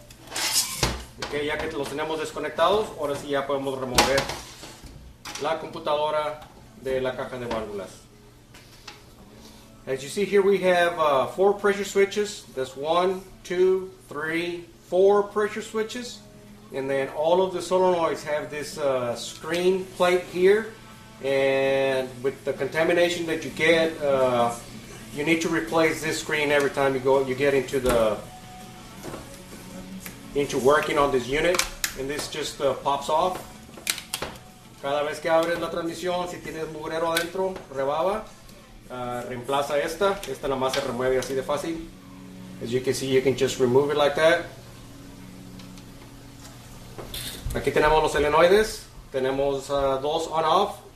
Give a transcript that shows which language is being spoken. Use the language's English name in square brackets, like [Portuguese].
[Spanish] Ok, ya que los tenemos desconectados, ahora sí ya podemos remover la computadora de la caja de válvulas. [English] As you see here, we have 4 pressure switches. That's 1, 2, 3, 4 pressure switches. And then all of the solenoids have this screen plate here. And with the contamination that you get, you need to replace this screen every time you get into working on this unit. And this just pops off. [Spanish] Cada vez que abres la transmisión, si tienes mugrero adentro, rebaba, reemplaza esta. Esta nada más se remueve así de fácil. [English] As you can see, you can just remove it like that. [Spanish] Aquí tenemos los solenoides, tenemos dos on-off.